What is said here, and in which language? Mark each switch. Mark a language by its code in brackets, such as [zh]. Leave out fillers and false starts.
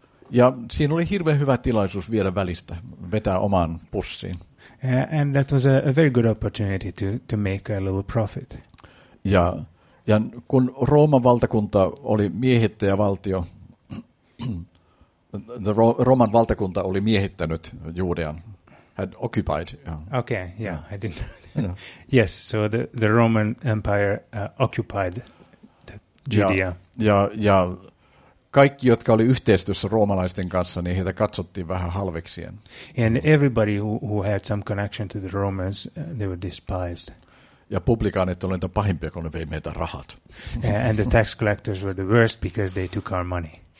[fi] Ja siinä oli hirveän hyvä tilaisuus viedä välistä, vetää omaan pussiin. [en] And that was a very good opportunity to make a little profit. [fi] Ja kun Rooman valtakunta oli miehittäjävaltio, Rooman valtakunta oli miehittänyt Juudean, [en] had occupied. Yeah. Okay, yeah, I didn't know. Yes, so the Roman Empire occupied Judea. [fi] Ja kaikki, jotka oli yhteistyössä roomalaisten kanssa, niin heitä katsottiin vähän halveksien. [en] And everybody who had some connection to the Romans, they were despised. [fi] Ja publikaanit olivat pahimpia, kun ne vei meitä rahat. [en] And the tax collectors were the worst because they took our money.